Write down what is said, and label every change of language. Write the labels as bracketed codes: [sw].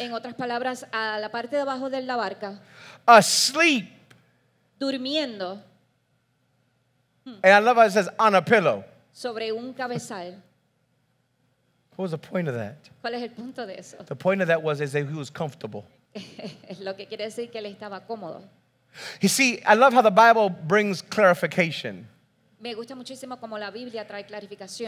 [es] En otras palabras, a la parte de abajo de la barca. [en] Asleep. [es] Durmiendo. [en] And I love how it says on a pillow. [es] Sobre un cabezal. [en] What was the point of that? [es] ¿Cuál es el punto de eso? [en] The point of that was that he was comfortable. [es] Lo que quiere decir que él estaba cómodo. [en] You see, I love how the Bible brings clarification. [es] Me gusta muchísimo como la Biblia trae clarificación.